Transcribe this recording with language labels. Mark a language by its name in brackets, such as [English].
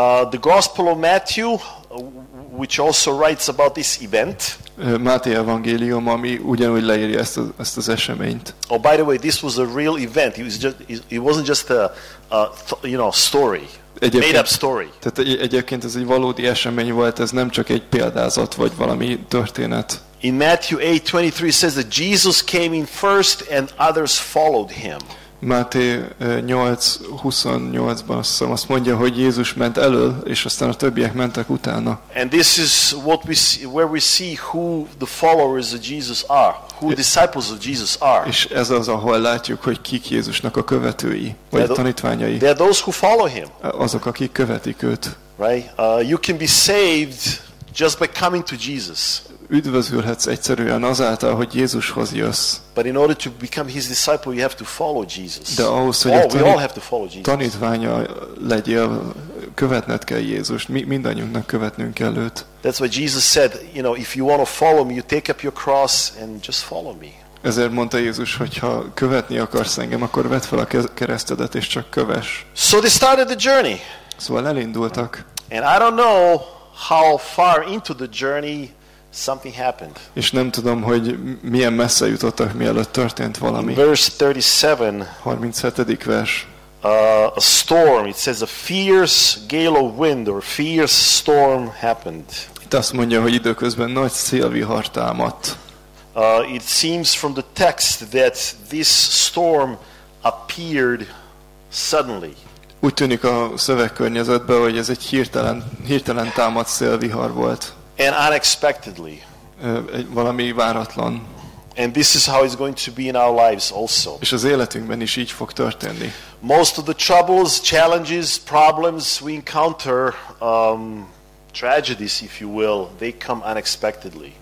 [English] The Gospel of Matthew, which also writes about this event. [Hungarian] Máté evangélium, ami ugyanúgy leírja ezt az eseményt. [English] Oh, by the way, this was a real event. It wasn't just a story. Made up story. [Hungarian] Tehát egyébként ez egy valódi esemény volt, ez nem csak egy példázat vagy valami történet. [English] In Matthew 8:23 says that Jesus came in first and others followed him. [Hungarian] Máté 8:28-ban azt mondja, hogy Jézus ment elől, és aztán a többiek mentek utána. [English] And this is what we see, where we see who the followers of Jesus are, who disciples of Jesus are. [Hungarian] És ez az, ahol látjuk, hogy kik Jézusnak a követői, vagy a tanítványai. [English] They are those who follow him. [Hungarian] Azok, akik követik őt. [English] Right? You can be saved just by coming to Jesus. [Hungarian] Üdvözülhetsz egyszerűen azáltal, hogy Jézushoz jössz. [English] But in order to become his disciple, you have to follow Jesus. [Hungarian] De ahhoz, hogy tanítványa legyél, követned kell Jézust. Mi mindannyiunknak követnünk kell őt. [English] That's what Jesus said, you know, if you want to follow me, you take up your cross and just follow me. [Hungarian] Ezért mondta Jézus, hogy ha követni akarsz engem, akkor vedd fel a keresztedet és csak kövess. [English] So they started the journey. [Hungarian] Szóval elindultak. [English] And I don't know how far into the journey something happened. [Hungarian] És nem tudom, hogy milyen messze jutottak, mielőtt történt valami. [English] Verse 37. [Hungarian] 37. vers. [English] A storm, it says a fierce gale of wind or fierce storm happened. [Hungarian] Itt azt mondja, hogy időközben nagy szélvihar támadt. [English] It seems from the text that this storm appeared suddenly. [Hungarian] Úgy tűnik a szövegkörnyezetben, hogy ez egy hirtelen támadt szélvihar volt. [English] And unexpectedly. [Hungarian] Valami váratlan. [English] And this is how it's going to be in our lives also. [Hungarian] És az életünkben is így fog történni. [English] Most of the troubles, challenges, problems we encounter, tragedies if you will, they come unexpectedly.